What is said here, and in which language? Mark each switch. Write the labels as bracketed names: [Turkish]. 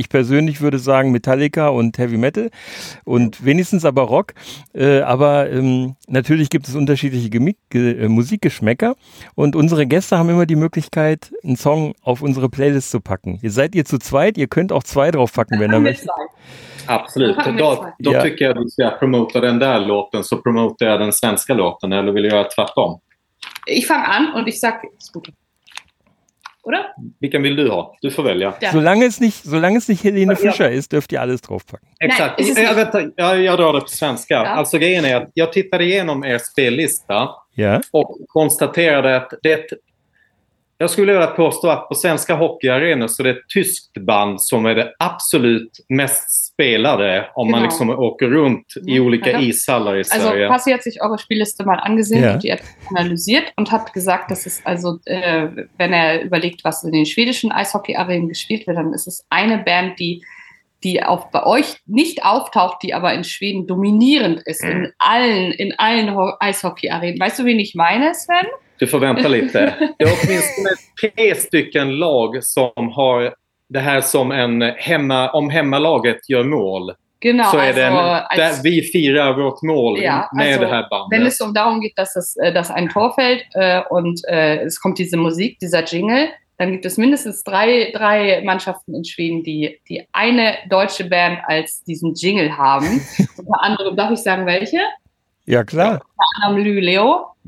[German] Ich persönlich würde sagen Metallica und Heavy Metal und wenigstens aber Rock. Aber natürlich gibt es unterschiedliche Musikgeschmäcker und unsere Gäste haben immer die Möglichkeit, einen Song auf unsere Playlist zu packen. Ihr seid ihr zu zweit, ihr könnt auch zwei draufpacken, wenn ihr möchtet. [Swedish] Absolut, då tycker jag att du ska promota den där låten, så promotar jag den svenska låten, eller vill jag göra tvärtom? [German] Ich fange an und ich sag, oder? [Swedish] Vilken vill du ha? Du får välja. [German] Solange es nicht Helene Fischer ist, dürft ihr alles draufpacken. [Swedish] Exakt, jag drar det på svenska. Ja. Alltså grejen är att jag tittade igenom er spellista och konstaterade att jag skulle vilja påstå att på svenska hockeyarenor så är det ett tyskt band som är det absolut mest spelade om man liksom åker runt i olika ishallar i Sverige. [German] Also Passi hat sich eure Spielliste mal angesehen und die hat analysiert und hat gesagt, dass es also, wenn er überlegt, was in den schwedischen Eishockeyarenen gespielt wird, dann ist es eine Band, die auch bei euch nicht auftaucht, die aber in Schweden dominierend ist, in allen Eishockeyarenen. Weißt du, wen ich meine, Sven? [Swedish] Du får vänta lite. Det är åtminstone tre stycken lag som har det här som en hemma, om hemmalaget gör mål. [German] Genau, [Swedish] så är det vi firar vårt mål med det här bandet. [German] Wenn es darum geht, dass ein Tor fällt und es kommt diese Musik, dieser Jingle, dann gibt es mindestens drei Mannschaften in Schweden, die eine deutsche Band als diesen Jingle haben. Unter anderem, darf ich sagen, welche? Ja, klar. Unter anderem Luleå.